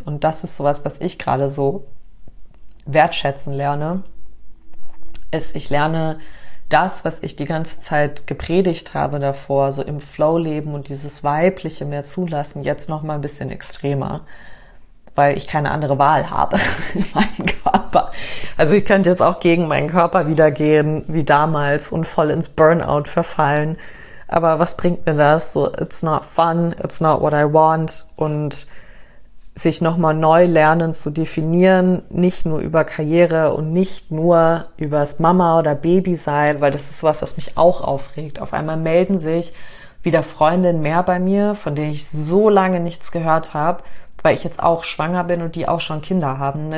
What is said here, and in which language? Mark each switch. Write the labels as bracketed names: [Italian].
[German] Und das ist sowas, was ich gerade so wertschätzen lerne, ist, ich lerne das, was ich die ganze Zeit gepredigt habe davor, so im Flow leben und dieses Weibliche mehr zulassen, jetzt noch mal ein bisschen extremer, weil ich keine andere Wahl habe in meinem Körper. Also ich könnte jetzt auch gegen meinen Körper wieder gehen, wie damals und voll ins Burnout verfallen. Aber was bringt mir das? [English] So, it's not fun, it's not what I want. [German] Und sich noch mal neu lernen zu definieren, nicht nur über Karriere und nicht nur übers Mama oder Baby sein, weil das ist sowas, was mich auch aufregt. Auf einmal melden sich wieder Freundinnen mehr bei mir, von denen ich so lange nichts gehört habe, weil ich jetzt auch schwanger bin und die auch schon Kinder haben.